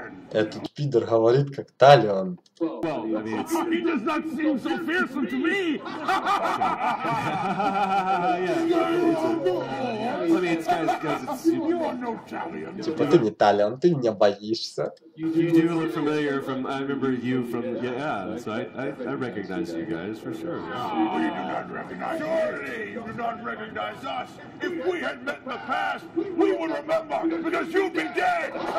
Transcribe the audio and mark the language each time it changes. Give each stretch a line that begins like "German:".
Russian: Этот пидор говорит как Талион.
English: He does not seem so fearsome to me.
Russian: Типа ты не Талион, ты не боишься.
English: You do look familiar from, I remember you from, yeah, that's right. I recognize you guys for sure. We do not recognize you. Surely you do not recognize us. If we had met in the past, we would remember because you'd be dead.